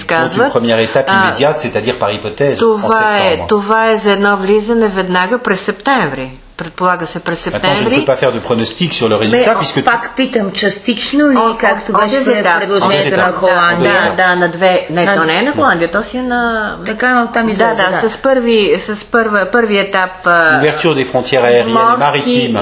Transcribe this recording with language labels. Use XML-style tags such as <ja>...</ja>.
<fr>le gouvernement français n'a pas encore eu l'occasion de s'exprimer sur cette question. C'est-à-dire par hypothèse en septembre.</fr> <bg>Това е за едно влизане веднага през септември. предполага се през септември.</bg> <fr>Je peux pas faire de pronostic sur le résultat puisque</fr> <bg>пак питам частично ли както беше предложението на Холандия, да, на две, не, то не е на Холандия, то си е на така, но там и да, да, с първи, с първи етап</bg> <fr>ouverture des frontières aériennes maritimes</fr>